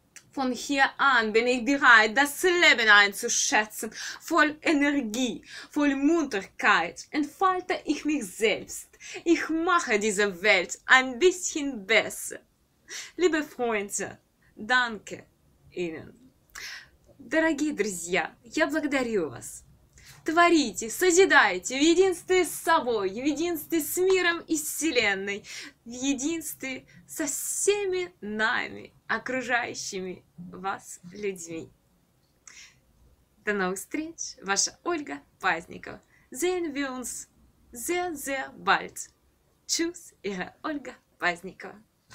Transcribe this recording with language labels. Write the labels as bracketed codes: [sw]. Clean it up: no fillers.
[de] Von hier an bin ich bereit, das Leben einzuschätzen, voll Energie, voll Munterkeit entfalte ich mich selbst. Ich mache diese Welt ein bisschen besser. Liebe Freunde, danke Ihnen. [ru] Дорогие друзья, я благодарю вас. Творите, созидайте в единстве с собой, в единстве с миром и вселенной, в единстве со всеми нами, окружающими вас людьми. До новых встреч, ваша Ольга Пазникова. [de] Sehen wir uns sehr, sehr bald. Tschüss, ihre Ольга Пазникова.